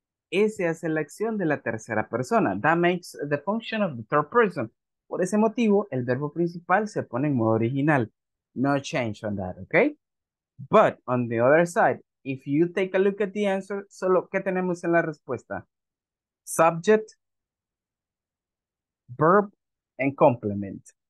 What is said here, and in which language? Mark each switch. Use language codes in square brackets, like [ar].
[es] Ese hace la acción de la tercera persona. [en] That makes the function of the third person. [es] Por ese motivo, el verbo principal se pone en modo original. [en] No change on that, okay? But on the other side, if you take a look at the answer, [es] solo ¿qué tenemos en la respuesta? [en] Subject, verb, and complement.